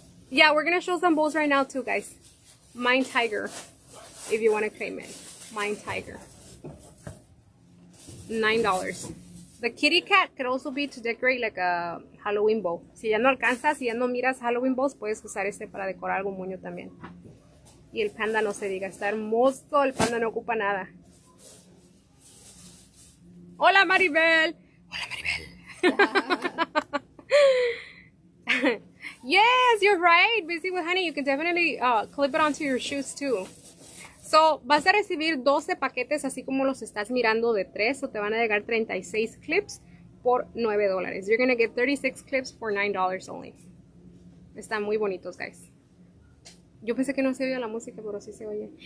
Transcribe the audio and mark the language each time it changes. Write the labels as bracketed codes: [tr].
[en] Yeah, we're gonna show some bowls right now too, guys. Mine Tiger, if you want to claim it. Mine Tiger. $9. The kitty cat could also be to decorate like a Halloween bowl. [es] Si ya no alcanzas, si ya no miras Halloween bowls, puedes usar este para decorar algún moño también. Y el panda no se diga, está hermoso, el panda no ocupa nada. Hola Maribel. Hola Maribel. [en] Yes, you're right. Busy with honey, you can definitely clip it onto your shoes too. [es] So, vas a recibir 12 paquetes, así como los estás mirando, de 3, o te van a llegar 36 clips por $9. [en] You're going to get 36 clips for $9 only. Están muy bonitos, guys. [es] Yo pensé que no se oía la música, pero sí se oye.